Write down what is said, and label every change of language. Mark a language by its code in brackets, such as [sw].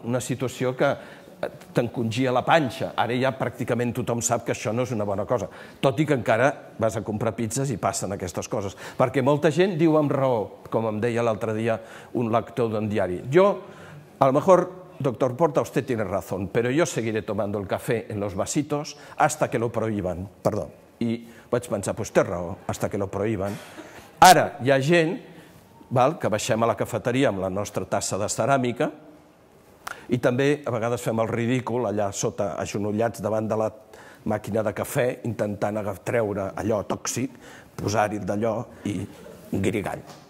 [ca] Una situació que t'encongia la panxa. Ara ja pràcticament tothom sap que això no és una bona cosa. Tot i que encara vas a comprar pizzas i passen aquestes coses. Perquè molta gent diu amb raó, com em deia l'altre dia un lector d'un diari. [es] Jo, a lo mejor, doctor Porta, usted tiene razón, pero yo seguiré tomando el café en los vasitos hasta que lo prohíban. [ca] Perdó. I vaig pensar, pues té raó, [es] hasta que lo prohíban. [ca] Ara hi ha gent, val, que baixem a la cafeteria amb la nostra tassa de ceràmica, i també a vegades fem el ridícul allà sota, agenollats davant de la màquina de cafè, intentant treure allò tòxic, posar-hi d'allò i grigall.